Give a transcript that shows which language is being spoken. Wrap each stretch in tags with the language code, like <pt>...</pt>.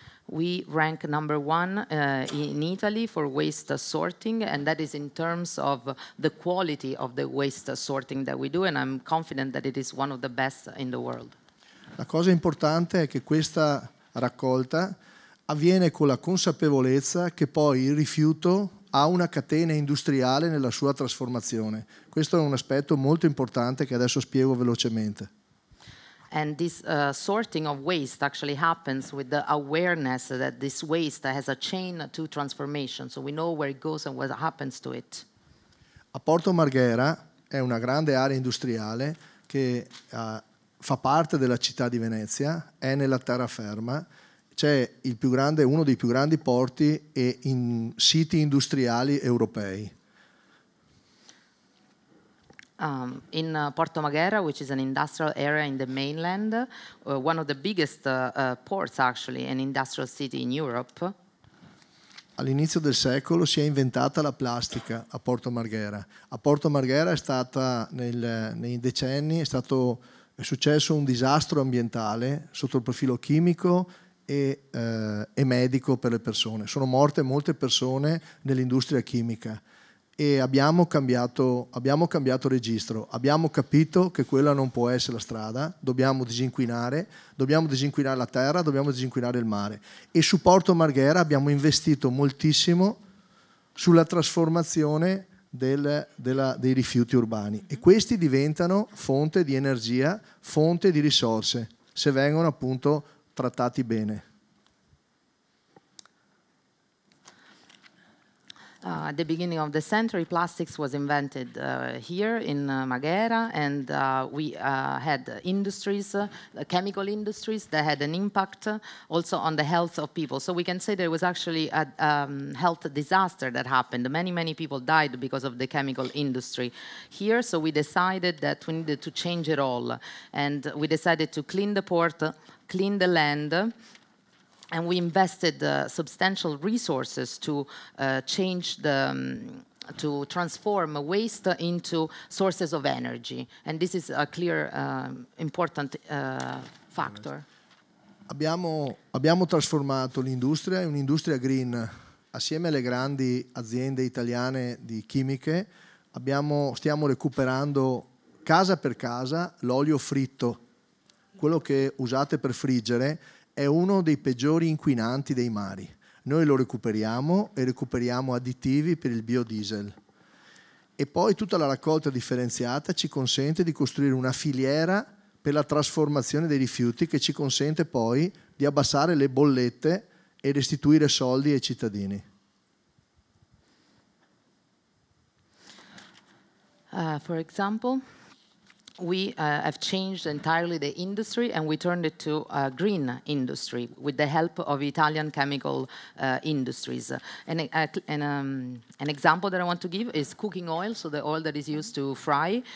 <en>We rank number one in Italy for waste sorting, and that is in terms of the quality of the waste sorting that we do, and I'm confident that it is one of the best in the world.</en> <it>La cosa importante è che questa raccolta avviene con la consapevolezza che poi il rifiuto ha una catena industriale nella sua trasformazione. Questo è un aspetto molto importante che adesso spiego velocemente.</it> <en>And this sorting of waste actually happens with the awareness that this waste has a chain to transformation. So we know where it goes and what happens to it.</en> <it>A Porto Marghera è una grande area industriale che fa parte della città di Venezia, è nella terraferma. C'è il più grande, uno dei più grandi porti e in siti industriali europei.</it> <en>In Porto Marghera, which is an industrial area in the mainland, one of the biggest ports, actually, an industrial city in Europe.</en> <it>All'inizio del secolo si è inventata la plastica a Porto Marghera. A Porto Marghera è stata nei decenni è successo un disastro ambientale sotto il profilo chimico e medico per le persone. Sono morte molte persone nell'industria chimica. E abbiamo cambiato registro, abbiamo capito che quella non può essere la strada, dobbiamo disinquinare la terra, dobbiamo disinquinare il mare. E su Porto Marghera abbiamo investito moltissimo sulla trasformazione dei rifiuti urbani. E questi diventano fonte di energia, fonte di risorse, se vengono appunto trattati bene.</it> <en>At the beginning of the century, plastics was invented here in Marghera, and we had industries, chemical industries, that had an impact also on the health of people. So we can say there was actually a health disaster that happened. Many, many people died because of the chemical industry here, so we decided that we needed to change it all. And we decided to clean the port, clean the land, And we invested substantial resources to change the to transform waste into sources of energy. And this is a clear important factor.</en> <it>Abbiamo trasformato l'industria in un'industria green. Assieme alle grandi aziende italiane di chimiche, stiamo recuperando casa per casa l'olio fritto. Quello che usate per friggere è uno dei peggiori inquinanti dei mari. Noi lo recuperiamo e recuperiamo additivi per il biodiesel. E poi tutta la raccolta differenziata ci consente di costruire una filiera per la trasformazione dei rifiuti che ci consente poi di abbassare le bollette e restituire soldi ai cittadini.</it> <en>For example, we have changed entirely the industry and we turned it to a green industry with the help of Italian chemical industries. An example that I want to give is cooking oil, so the oil that is used to fry.</en>